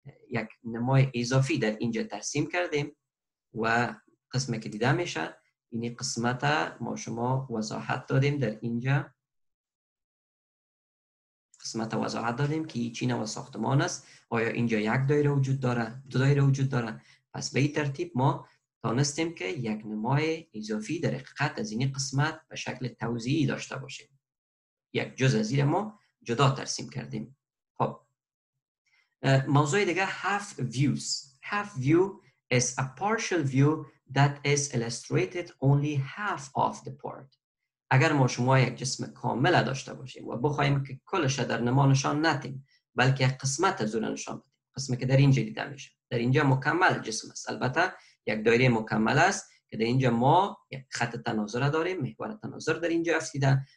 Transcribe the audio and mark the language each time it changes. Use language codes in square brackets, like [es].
[fa] یک نمای اضافی در اینجا ترسیم کردیم و قسمی که دیده میشه این قسمت ما شما وضاحت دادیم در اینجا قسمت وضاحت دادیم که چی نوع ساختمان است، آیا اینجا یک دایره وجود داره، دو دایره وجود داره. پس به این ترتیب ما دانستیم که یک نمای اضافی در حقیقت از این قسمت به شکل توضیحی داشته باشیم. یک جز از این ما جدا ترسیم کردیم. خب موضوع دیگه هفت ویوز. [en] هفت view is a partial view that is illustrated only half of the part. [fa] اگر ما شما یک جسم کامل داشته باشیم و بخوایم که کلش در نما نشان ندیم بلکه یک قسمت از اون نشان بدیم، قسمی که در اینجا دیده میشه، در اینجا مکمل جسم است، البته یک دایره مکمل است که در اینجا ما یک خط تناظر داریم، محور تناظر در اینجا افتیده.